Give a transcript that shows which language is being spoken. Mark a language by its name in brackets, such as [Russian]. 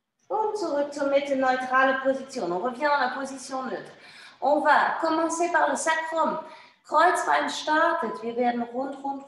[German] Und zurück zur Mitte, neutrale Position. [French] On revient à la position neutre. On va commencer par le sacrum. [German] Kreuzbein startet, wir werden rund.